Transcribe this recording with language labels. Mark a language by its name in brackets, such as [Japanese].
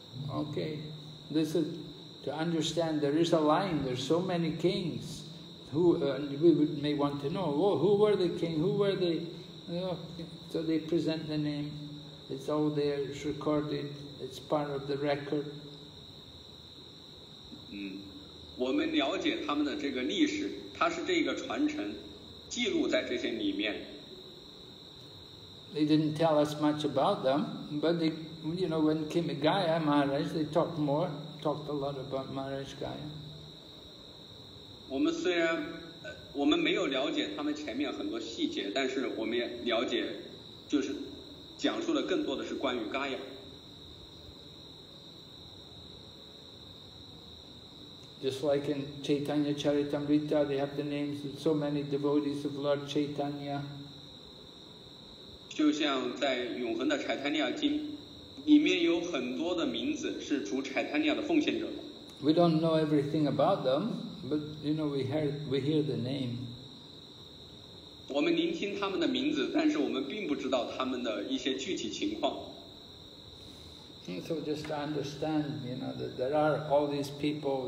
[English] Okay, this is. To understand there is a line, there's so many kings, who, we may want to know, oh, who were the king, who were they? So they present the name, it's all there, it's recorded, it's part of the record. [Chinese] 我们了解他们的这个历史，它是这个传承，记录在这些里面。 [English] They didn't tell us much about them, but they, you know, when came Gaya Maharaj, they talked more. Talked a lot about Maharaj Gaya. [Chinese] 我们虽然我们没有了解他们前面很多细节，但是我们也了解，就是讲述了更多的是关于 Gaya. [English] Just like in Chaitanya Charitamrita, they have the names of so many devotees of Lord Chaitanya. [Chinese] 就像在永恒的柴坦尼亚经。里面有很多的名字是主柴坦尼亚的奉献者。 [English] We don't know everything about them, but you know we hear the name. [Chinese] 我们聆听他们的名字，但是我们并不知道他们的一些具体情况。 [English] So just to understand, you know, that there are all these people.